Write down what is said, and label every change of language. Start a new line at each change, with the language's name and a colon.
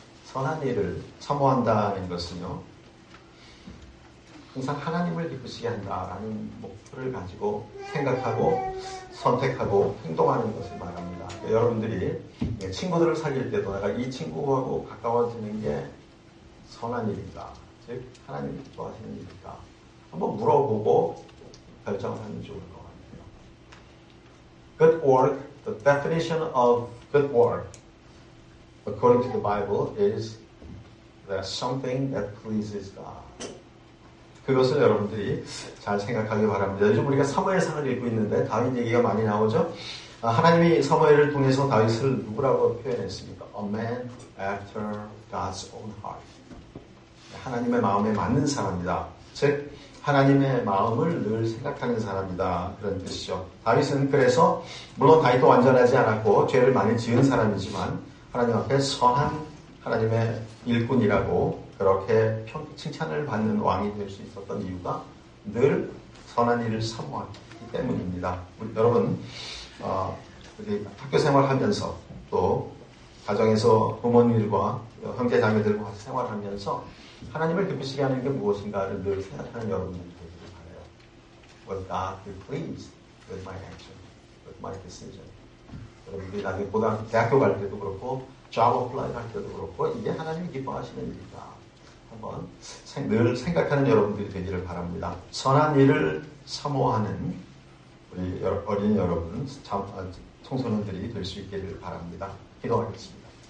Korean: 선한 일을 사모한다는 것은요, 항상 하나님을 기쁘시게 한다라는 목표를 가지고 생각하고 선택하고 행동하는 것을 말합니다. 여러분들이 친구들을 사귈 때도 내가 이 친구하고 가까워지는 게 선한 일입니다. 즉 하나님이 기뻐하시는 일입니다. 한번 물어보고 결정을 하면 좋을 것 같아요.
English: Good work, the definition of good work according to the Bible is that something that pleases God.
Korean: 그것을 여러분들이 잘 생각하기 바랍니다. 요즘 우리가 사무엘상을 읽고 있는데 다윗 얘기가 많이 나오죠? 하나님이 사무엘을 통해서 다윗을 누구라고 표현했습니까?
English: A man after God's own heart.
Korean: 하나님의 마음에 맞는 사람이다. 즉 하나님의 마음을 늘 생각하는 사람이다. 그런 뜻이죠. 다윗은 그래서 물론 다윗도 완전하지 않았고 죄를 많이 지은 사람이지만 하나님 앞에 선한 하나님의 일꾼이라고 그렇게 칭찬을 받는 왕이 될 수 있었던 이유가 늘 선한 일을 사모하기 때문입니다. 우리 여러분 우리 학교 생활하면서 또 가정에서 부모님들과 형제 자매들과 같이 생활하면서 하나님을 기쁘시게 하는 게 무엇인가를 늘 생각하는 여러분들이 되기를 바라요.
English: Will God be pleased with my action, with my decision?
Korean: 여러분들이 나중에 고등학교, 대학교 갈 때도 그렇고
English: job apply
Korean: 할 때도 그렇고 이게 하나님이 기뻐하시는 일이다. 한번 늘 생각하는 여러분들이 되기를 바랍니다. 선한 일을 사모하는 우리 어린 여러분, 청소년들이 될 수 있기를 바랍니다. 기도하겠습니다.